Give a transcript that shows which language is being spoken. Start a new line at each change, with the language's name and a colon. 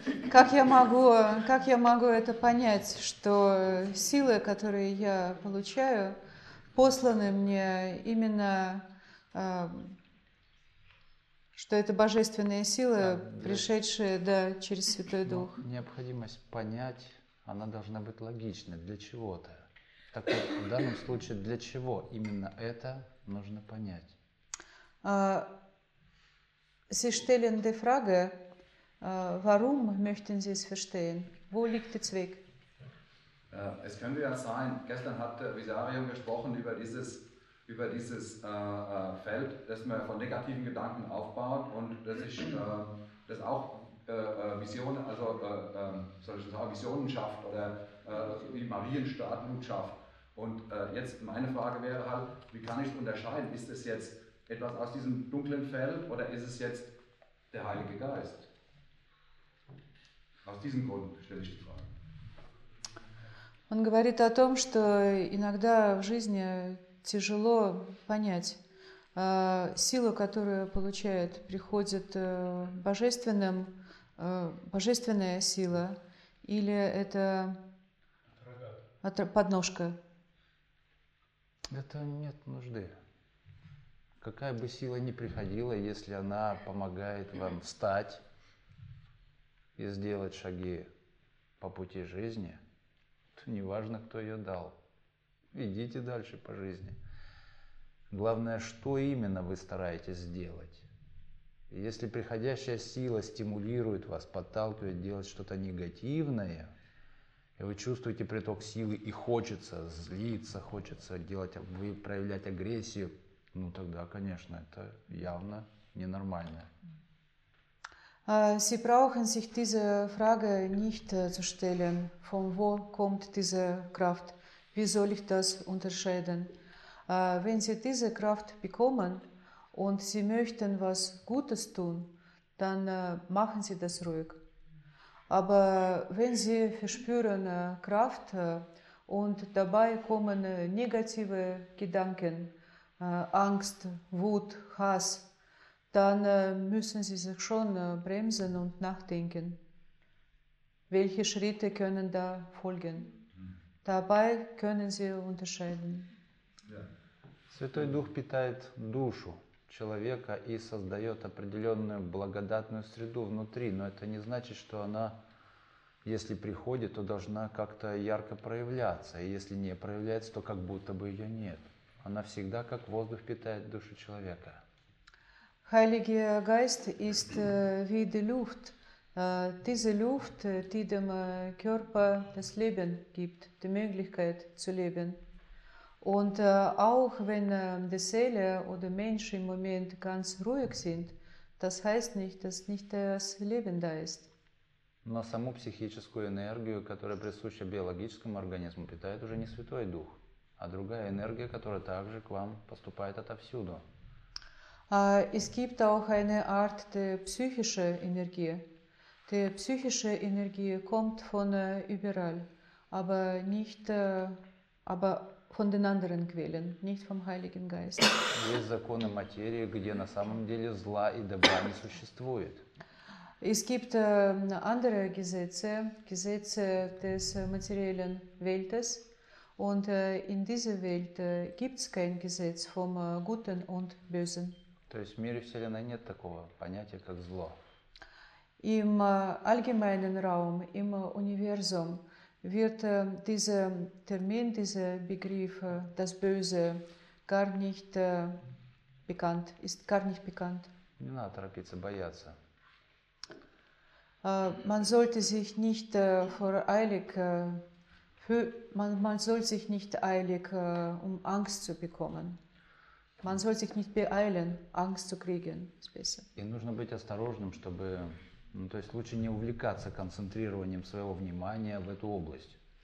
Russian: Как я могу это понять, что силы, которые я получаю, посланы мне именно, что это божественные силы, пришедшие да, через Святой Дух? Но необходимость понять, она должна быть логичной для чего-то. Так вот, в данном случае, для чего именно это нужно понять?
German: Sie stellen die Frage, warum möchten Sie es verstehen? Wo liegt der Zweck? Es könnte ja sein, gestern hat Visarion gesprochen über dieses Feld, das man von negativen Gedanken aufbaut und das auch Visionen, also soll ich sagen, Visionen schafft oder wie Marienstatuen schafft. Und jetzt meine Frage wäre halt, wie kann ich es unterscheiden? Ist es jetzt etwas aus diesem dunklen Feld oder ist es jetzt der Heilige Geist? Aus diesem Grund stelle ich die Frage.
Russian: Он говорит о том, что иногда в жизни тяжело понять силу, которую получает, приходит божественным, божественная сила или это подножка. Это нет нужды. Какая бы сила ни приходила, если она помогает вам встать и сделать шаги по пути жизни, то неважно, кто ее дал. Идите дальше по жизни. Главное, что именно вы стараетесь сделать. Если приходящая сила стимулирует вас, подталкивает делать что-то негативное, и вы чувствуете приток силы, и хочется злиться, хочется проявлять агрессию, ну тогда, конечно, это явно ненормально.
German: Sie brauchen sich diese Frage nicht zu stellen, von wo kommt diese Kraft, wie soll ich das unterscheiden? Wenn Sie diese Kraft bekommen und Sie möchten was Gutes tun, dann machen Sie das ruhig. Aber wenn Sie verspüren Kraft und dabei kommen negative Gedanken, Angst, Wut, Hass, dann müssen Sie sich schon bremsen und nachdenken. Welche Schritte können da folgen? Dabei können Sie unterscheiden.
Russian: Святой Дух питает душу человека и создает определенную благодатную среду внутри, но это не значит, что она... Если приходит, то должна как-то ярко проявляться. И если не проявляется, то как будто бы ее нет. Она всегда как воздух питает душу человека.
German: Heiliger Geist ist wie die Luft. Diese Luft, die dem Körper das Leben gibt, die Möglichkeit zu leben. Und auch wenn die Seele oder Mensch im Moment ganz ruhig sind, das heißt nicht, dass nicht das Leben da ist.
Russian: Но саму психическую энергию, которая присуща биологическому организму, питает уже не Святой Дух, а другая энергия, которая также к вам поступает отовсюду.
German: Es gibt auch eine Art der psychischen Energie. Die psychische Energie kommt von überall, aber nicht aber von den anderen Quellen, nicht vom Heiligen Geist.
Russian: Есть законы материи, где на самом деле зла и добра не существует.
German: Es gibt andere Gesetze, Gesetze des materiellen Weltes. Und in dieser Welt gibt es kein Gesetz vom Guten und Bösen.
Russian: То есть в мире Вселенной нет такого понятия, как зло.
German: Im allgemeinen Raum, im Universum, wird dieser Termin, dieser Begriff, das Böse, gar nicht bekannt, ist gar nicht bekannt.
Russian: Не надо торопиться, бояться.
German: Man soll sich nicht eilig, um Angst zu bekommen. Man soll sich nicht beeilen, Angst zu kriegen, ist besser.
Russian: И нужно быть осторожным, чтобы, ну, то есть лучше не увлекаться концентрированием своего внимания в эту область.